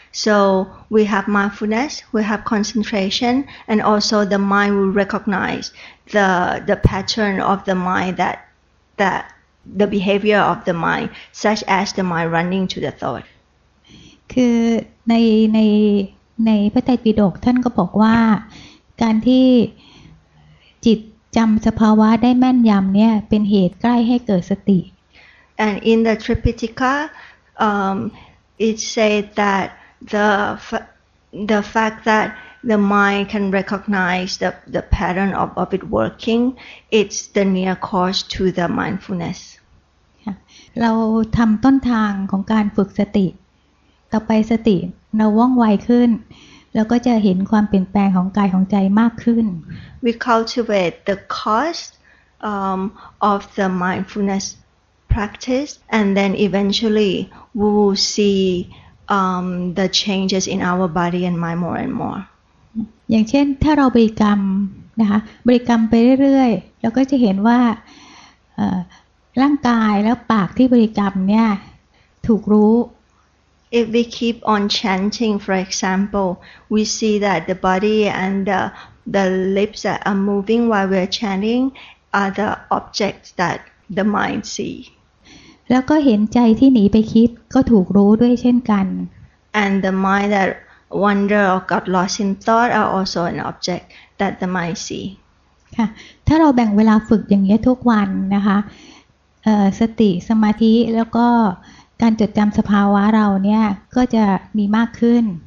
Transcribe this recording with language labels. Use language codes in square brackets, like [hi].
[en] So we have mindfulness, we have concentration, and also the mind will recognize the pattern of the mind that the behavior of the mind, such as the mind running to the thought. [th] คือในพระไตรปิฎกท่านก็บอกว่าการที่จิตจำสภาวะได้แม่นยำเนี่ยเป็นเหตุใกล้ให้เกิดสติ [en] And in the Tripitaka,it say that the fact that the mind can recognize the pattern of it working it's the near cause to the mindfulness [th] เราทำต้นทางของการฝึกสติต่อไปสติเราว่องไวขึ้นแล้วก็จะเห็นความเปลี่ยนแปลงของกายของใจมากขึ้น [en] we cultivate the cause of the mindfulnessPractice and then eventually we will see the changes in our body and mind more and more. [th] อย่างเช่นถ้าเราบริกรรมนะคะบริกรรมไปเรื่อยๆเราก็จะเห็นว่าร่างกายและปากที่บริกรรมเนี่ยถูกรู้ [en] If we keep on chanting, for example, we see that the body and the lips that are moving while we're chanting are the objects that the mind see. [th] แล้วก็เห็นใจที่หนีไปคิดก็ถูกรู้ด้วยเช่นกัน [en] And the mind that wander or got lost in thought are also an object that the mind see [th] ค่ะถ้าเราแบ่งเวลาฝึกอย่างเงี้ยทุกวันนะคะสติสมาธิแล้วก็การจดจำสภาวะเราเนี่ยก็จะมีมากขึ้น